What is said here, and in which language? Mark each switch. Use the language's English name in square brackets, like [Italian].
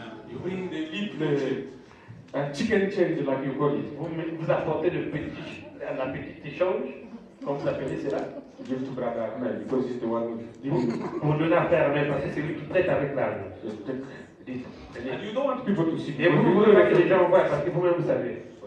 [English] You bring the little chicken change, like you call it. [French] Vous apportez le petit, la petite échange, comme vous appelez cela. [English] Give to brother Ahmed, because he's the one who. [French] Vous donnez à faire Ahmed, parce que c'est lui qui prête avec l'argent. [English] You don't want people to see. [French] Et vous voulez que les gens voient, parce que vous-même vous savez.